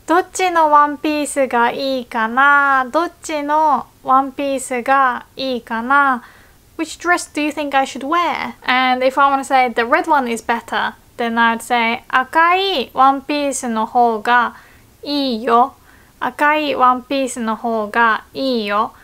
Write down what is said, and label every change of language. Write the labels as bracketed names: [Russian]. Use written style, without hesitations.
[Japanese] どっちのワンピースがいいかな?どっちのワンピースがいいかな? [English] Which dress do you think I should wear? And if I want to say the red one is better, then I would say [Japanese] 赤いワンピースの方がいいよ。赤いワンピースの方がいいよ。